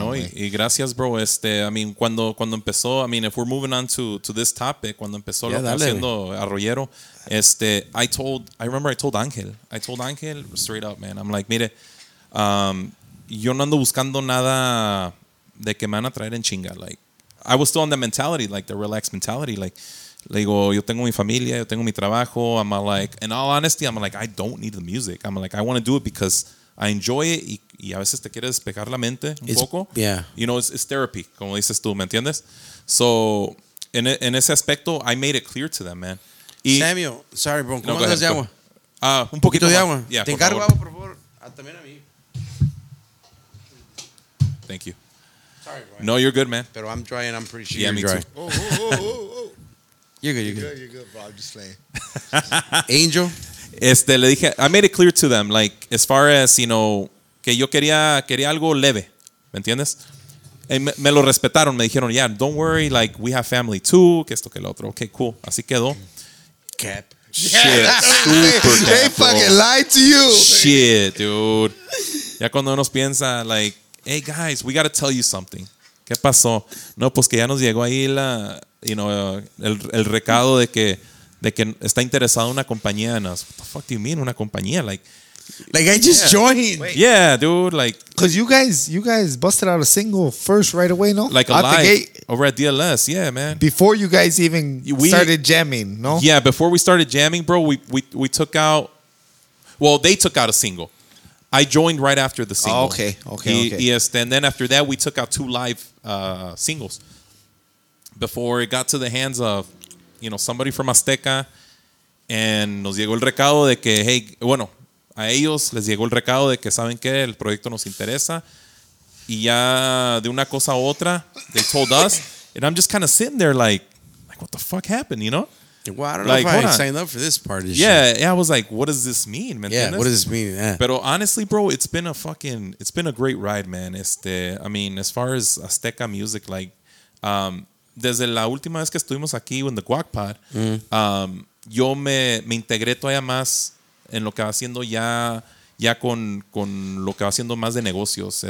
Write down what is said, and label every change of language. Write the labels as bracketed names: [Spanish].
[English] No, y gracias, bro. I mean, cuando empezó, I mean, if we're moving on to this topic, cuando empezó haciendo Arroyero, I told Ángel straight up, man. [Spanish] I'm like, mire, yo no ando buscando nada de que me van a traer en chinga. [English] Like, I was still on the mentality, like the relaxed mentality. [Spanish] Like, le digo, yo tengo mi familia, yo tengo mi trabajo. [English] I'm like, in all honesty, I'm like, I don't need the music. I'm like, I want to do it because I enjoy it. [Spanish] Y a veces te quieres despejar la mente un poco. [English] Yeah. You know, it's therapy, como dices tú, ¿me entiendes? So, en ese aspecto, I made it clear to them, man. [Spanish] Samuel, sorry, bro. ¿Cómo andas de agua? Un poquito de agua. [English] Yeah, [Spanish] te encargo agua, por favor. También a mí. [English] Thank you. Sorry, bro. No, you're good, man. Pero I'm dry and I'm pretty sure you're dry. Yeah, me too. You're good, bro. I'm just playing. Angel? Le dije, I made it clear to them, like, as far as, you know, que yo quería algo leve, ¿me entiendes? [Spanish] Me lo respetaron, me dijeron, yeah, don't worry, like, we have family too, que esto, que lo otro. Okay, cool. Así quedó. [English] Cap. Shit, super cap. They fucking lied to you. Shit, dude. Ya cuando uno piensa, like, hey guys, we got to tell you something. ¿Qué pasó? [Spanish] No, pues que ya nos llegó ahí el recado de que está interesado una compañía en us. [English] What the fuck do you mean, una compañía? Like I just joined. Wait. Yeah, dude, like. Because you guys busted out a single first right away, no? Like Alive. Out the gate. Over at DLS, yeah, man. Before you guys even started jamming, no? Yeah, before we started jamming, bro, we took out, well, they took out a single. I joined right after the single. Oh, okay. Yes. And then after that, we took out two live singles. before it got to the hands of, you know, somebody from Azteca, and nos llegó el recado de que, hey, bueno, a ellos les llegó el recado de que saben que el proyecto nos interesa, y ya de una cosa a otra, they told us, and I'm just kind of sitting there like, what the fuck happened, you know? Well, I don't like, know if I signed up for this part of shit. Yeah, yeah, I was like, what does this mean, man? Yeah, what does this mean? Yeah. But honestly, bro, it's been a fucking, it's been a great ride, man. [Spanish] Este, I mean, as far as Azteca music, like, desde la última vez que estuvimos aquí en the Guac Pod, yo me integré todavía más en lo que va haciendo ya con lo que va haciendo más de negocios.